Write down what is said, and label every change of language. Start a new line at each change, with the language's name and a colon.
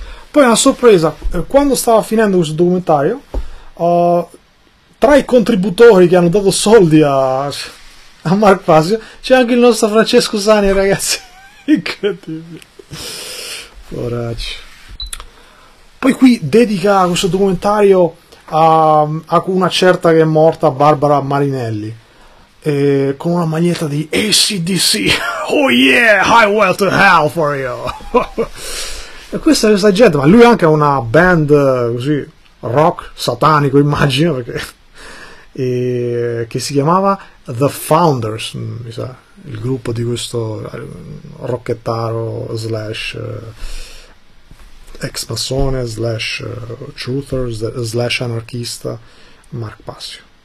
Italian: Poi una sorpresa, quando stava finendo questo documentario, tra i contributori che hanno dato soldi a Mark Passio c'è anche il nostro Francesco Sani, ragazzi. Incredibile. Poracci. Poi qui dedica questo documentario a una certa che è morta, Barbara Marinelli, con una maglietta di ACDC.
English: Oh yeah, highway to hell for you.
Italian: E questa è questa gente, ma lui anche ha una band così rock satanico, immagino, perché, che si chiamava The Founders, mi sa, il gruppo di questo rockettaro slash ex massone slash truther slash anarchista Mark Passio.